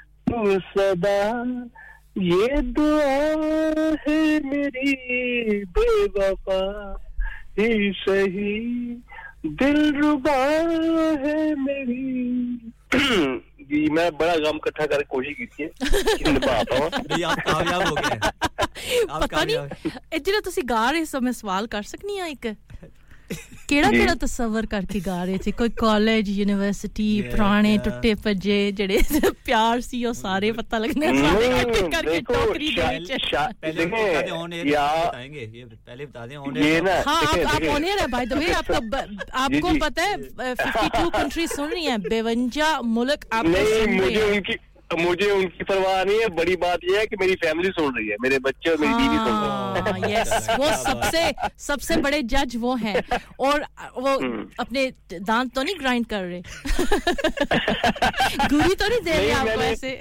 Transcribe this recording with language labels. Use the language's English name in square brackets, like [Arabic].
[Hindi] तू सदा ये दुआ है मेरी बेवफा ही सही दिल रुबा है मेरी जी मैं बड़ा गम इकट्ठा करके कोशिश की थी कामयाब हो गए पता नहीं जिन्हें तुम गा रहे सो मैं सवाल कर सकनी हाँ एक [Punjabi] ਕਿਹੜਾ ਕਿਹੜਾ ਤਸਵਰ ਕਰਕੇ ਗਾ ਰਹੇ ਸੀ ਕੋਈ ਕਾਲਜ ਯੂਨੀਵਰਸਿਟੀ ਪੁਰਾਣੇ ਟੁੱਟੇ ਭੱਜੇ ਜਿਹੜੇ ਪਿਆਰ ਸੀ ਉਹ ਸਾਰੇ ਪਤਾ ਲੱਗਣੇ [Hindi] ਆਪਕੋ ਪਤਾ ਹੈ 52 ਕੰਟਰੀ ਸੁਣ ਰਹੀ ਹੈ 52 ਮੁਲਕ मुझे उनकी परवाह नहीं है बड़ी बात यह है कि मेरी फैमिली सुन रही है मेरे बच्चे और मेरी बीवी सुन रहे हैं यस वो सबसे सबसे बड़े जज वो हैं और वो अपने दांत तो नहीं ग्राइंड कर रहे गुरी तो नहीं दे रहे आपको ऐसे